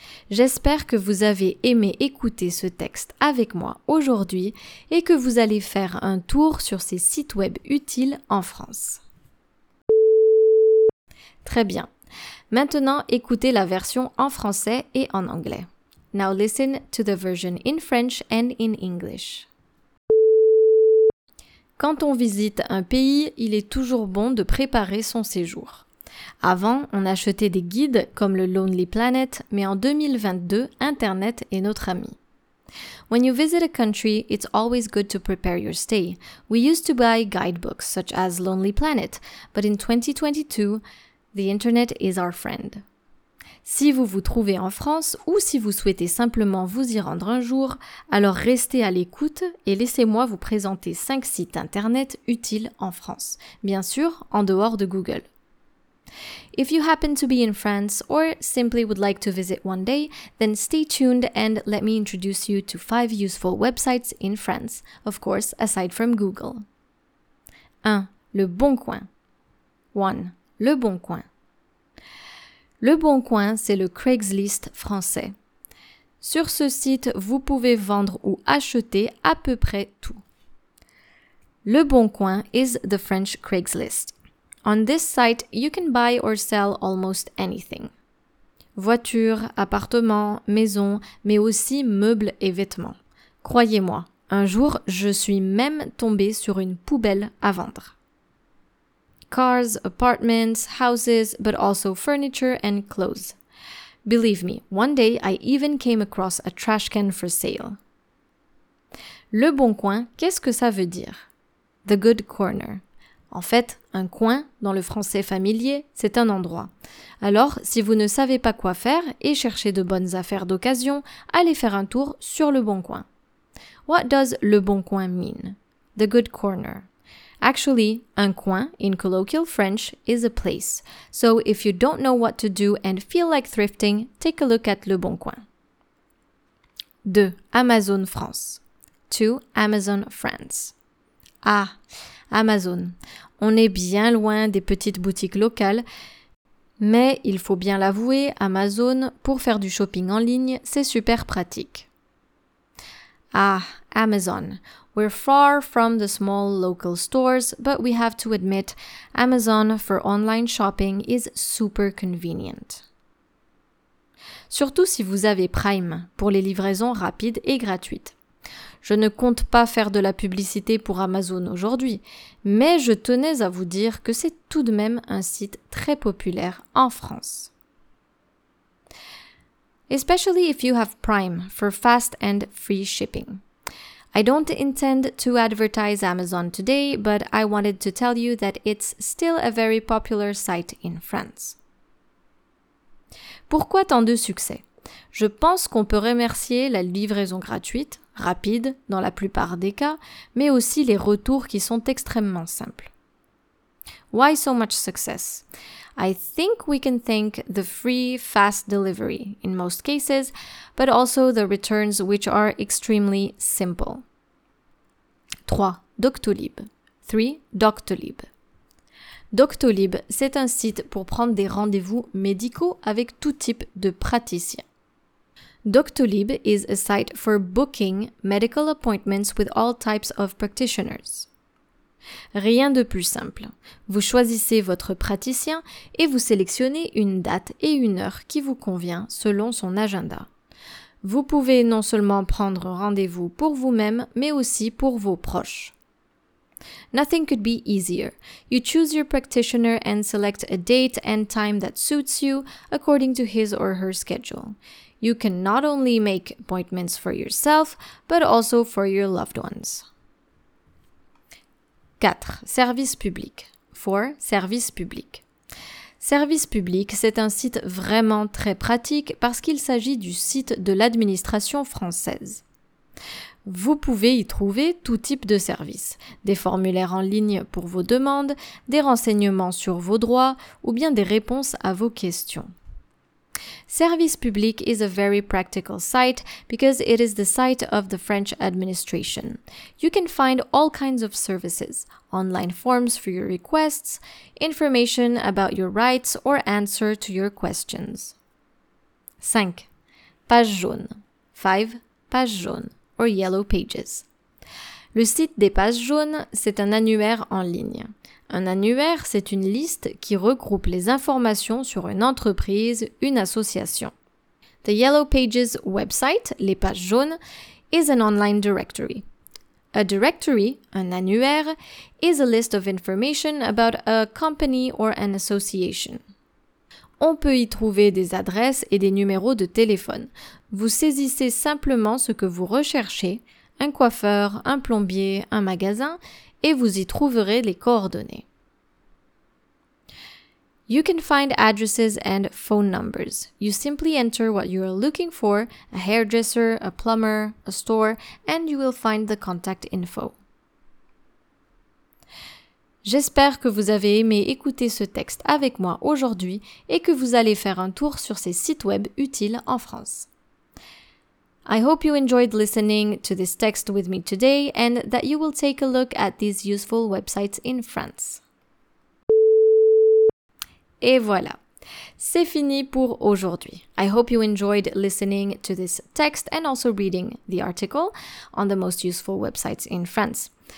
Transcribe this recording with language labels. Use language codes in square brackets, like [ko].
[fr] J'espère que vous avez aimé écouter ce texte avec moi aujourd'hui et que vous allez faire un tour sur ces sites web utiles en France. Très bien. Maintenant, écoutez la version en français et en anglais. [en] Now listen to the version in French and in English. [fr] Quand on visite un pays, il est toujours bon de préparer son séjour. Avant, on achetait des guides comme le Lonely Planet, mais en 2022, Internet est notre ami. [en] When you visit a country, it's always good to prepare your stay. We used to buy guidebooks such as Lonely Planet, but in 2022, the Internet is our friend. [fr] Si vous vous trouvez en France ou si vous souhaitez simplement vous y rendre un jour, alors restez à l'écoute et laissez-moi vous présenter 5 sites Internet utiles en France, bien sûr en dehors de Google. [en] If you happen to be in France or simply would like to visit one day, then stay tuned and let me introduce you to 5 useful websites in France, of course, aside from Google. [fr] 1. Le Bon Coin. 1. Le Bon Coin. Le Bon Coin, c'est le Craigslist français. Sur ce site, vous pouvez vendre ou acheter à peu près tout. [en] Le Bon Coin is the French Craigslist. On this site, you can buy or sell almost anything. [fr] Voitures, appartements, maisons, mais aussi meubles et vêtements. Croyez-moi, un jour, je suis même tombée sur une poubelle à vendre. [en] Cars, apartments, houses, but also furniture and clothes. Believe me, one day I even came across a trash can for sale. [fr] Le Bon Coin, qu'est-ce que ça veut dire? [en] The Good Corner. [fr] En fait, un coin, dans le français familier, c'est un endroit. Alors, si vous ne savez pas quoi faire et cherchez de bonnes affaires d'occasion, allez faire un tour sur Le Bon Coin. [en] What does Le Bon Coin mean? The Good Corner. Actually, un coin, in colloquial French, is a place. So if you don't know what to do and feel like thrifting, take a look at Le Bon Coin. [fr] 2. Amazon France. 2. Amazon France. Ah, Amazon. On est bien loin des petites boutiques locales, mais il faut bien l'avouer, Amazon, pour faire du shopping en ligne, c'est super pratique. [en] Ah, Amazon. We're far from the small local stores, but we have to admit, Amazon for online shopping is super convenient. [fr] Surtout si vous avez Prime, pour les livraisons rapides et gratuites. Je ne compte pas faire de la publicité pour Amazon aujourd'hui, mais je tenais à vous dire que c'est tout de même un site très populaire en France. [en] especially if you have Prime for fast and free shipping. I don't intend to advertise Amazon today, but I wanted to tell you that it's still a very popular site in France. [fr] Pourquoi tant de succès? Je pense qu'on peut remercier la livraison gratuite, rapide dans la plupart des cas, mais aussi les retours qui sont extrêmement simples. [en] Why so much success? I think we can thank the free, fast delivery in most cases, but also the returns which are extremely simple. [fr] 3. Doctolib. 3. Doctolib. Doctolib, c'est un site pour prendre des rendez-vous médicaux avec tout type de praticiens. [en] Doctolib is a site for booking medical appointments with all types of practitioners. [fr] Rien de plus simple. Vous choisissez votre praticien et vous sélectionnez une date et une heure qui vous convient selon son agenda. Vous pouvez non seulement prendre rendez-vous pour vous-même, mais aussi pour vos proches. [en] Nothing could be easier. You choose your practitioner and select a date and time that suits you according to his or her schedule. You can not only make appointments for yourself, but also for your loved ones. [fr] 4. Service public. 4. Service public. Service public, c'est un site vraiment très pratique parce qu'il s'agit du site de l'administration française. Vous pouvez y trouver tout type de services, des formulaires en ligne pour vos demandes, des renseignements sur vos droits ou bien des réponses à vos questions. [en] Service public is a very practical site because it is the site of the French administration. You can find all kinds of services, online forms for your requests, information about your rights or answer to your questions. [fr] 5. Page jaune. 5. Page jaune [en] or yellow pages. [fr] Le site des pages jaunes, c'est un annuaire en ligne. Un annuaire, c'est une liste qui regroupe les informations sur une entreprise, une association. [en] The Yellow Pages website, [fr] les pages jaunes, [en] is an online directory. A directory, un annuaire, is a list of information about a company or an association. [fr] On peut y trouver des adresses et des numéros de téléphone. Vous saisissez simplement ce que vous recherchez, un coiffeur, un plombier, un magasin, et vous y trouverez les coordonnées. [en] You can find addresses and phone numbers. You simply enter what you are looking for, a hairdresser, a plumber, a store, and you will find the contact info. [fr] J'espère que vous avez aimé écouter ce texte avec moi aujourd'hui et que vous allez faire un tour sur ces sites web utiles en France. [en] I hope you enjoyed listening to this text with me today and that you will take a look at these useful websites in France. [fr] Et voilà, c'est fini pour aujourd'hui. [en] I hope you enjoyed listening to this text and also reading the article on the most useful websites in France.